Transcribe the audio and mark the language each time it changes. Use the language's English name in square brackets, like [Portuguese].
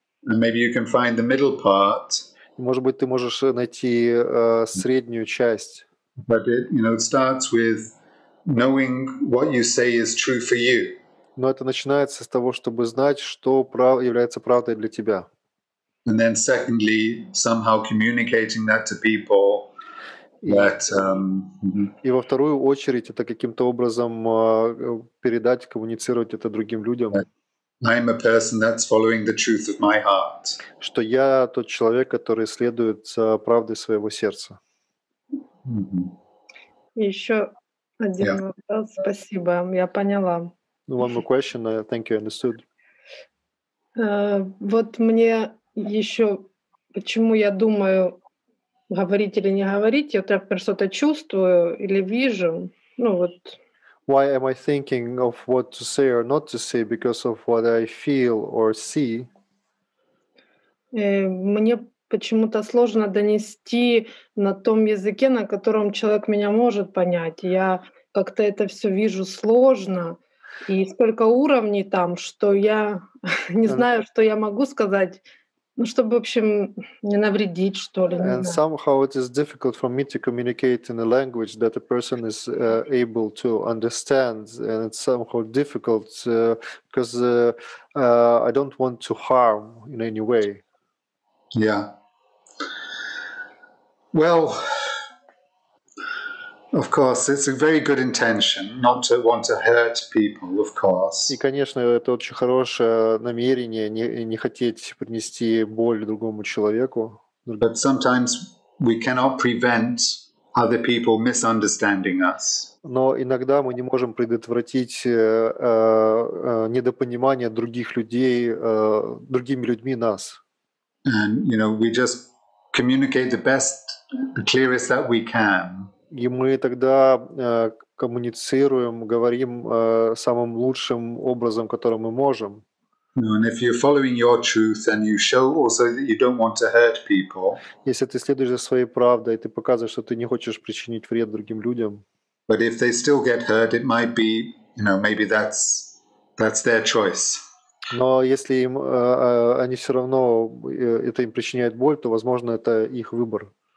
[English] And maybe you can find the middle part. [Russian] Может быть, ты можешь найти среднюю часть. [English] But it, you know, it starts with knowing what you say is true for you. [Russian] Но это начинается с того, чтобы знать, что является правдой для тебя. [English] And then secondly, somehow communicating that to people. [Russian] И во вторую очередь, это каким-то образом передать, коммуницировать это другим людям. [English] I'm a person that's following the truth of my heart. [Russian] Что я тот человек, который следует правдой своего сердца. Mm-hmm. Еще один вопрос. Спасибо, я поняла. [English] One more question. I think you understood. [Russian] Вот мне еще, почему я думаю, говорить или не говорить, я так что-то чувствую или вижу, ну вот. [English] Why am I thinking of what to say or not to say because of what I feel or see? [Russian] Мне почему-то сложно донести на том языке, на котором человек меня может понять. Я как-то это всё вижу сложно. И сколько уровней там, что я не знаю, что я могу сказать. Ну, чтобы, в общем, не навредить, что ли. [English] And somehow it is difficult for me to communicate in a language that a person is able to understand. And it's somehow difficult because I don't want to harm in any way. Yeah. Well, of course, it's a very good intention not to want to hurt people, of course. [Russian] И, конечно, это очень хорошее намерение не хотеть принести боль другому человеку. [English] But sometimes we cannot prevent other people misunderstanding us. [Russian] Но иногда мы не можем предотвратить недопонимание других людей другими людьми нас. [English] And, you know, we just communicate the best, the clearest that we can. [Russian] И мы тогда коммуницируем, говорим самым лучшим образом, который мы можем. [English] And if you're following your truth, then you show also that you don't want to hurt people. [Russian] Если ты следуешь за своей правдой, ты показываешь, что ты не хочешь причинить вред другим людям. [English] But if they still get hurt, it might be, you know, maybe that's their choice. [Russian] Но если им они все равно это им причиняет боль, то, возможно, это их выбор.